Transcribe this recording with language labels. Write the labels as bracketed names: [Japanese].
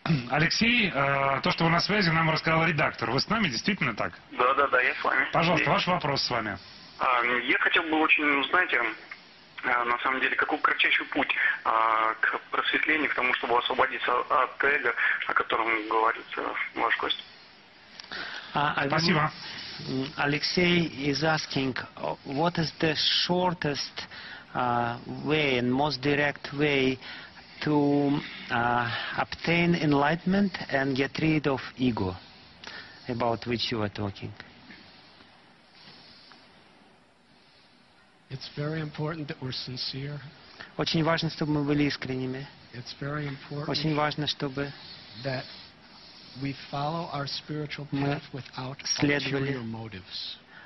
[Russian] Алексей, то, что вы на связи, нам рассказал редактор. Вы с нами, действительно так? Да, я с вами. Пожалуйста, ваш вопрос с вами. Я хотел бы очень узнать, на самом деле, какой кратчайший путь к просветлению, к тому, чтобы освободиться от эго, о котором говорится ваш гость? Спасибо. [English] Алексей is asking, what is the shortest way and most direct way to obtain enlightenment and get rid of ego, about which you are talking? It's very important that we're sincere. [Russian] Очень важно, чтобы мы были искренними. [English] It's very important. [Russian] Очень важно, чтобы [English] that we follow our spiritual path without ulterior motives.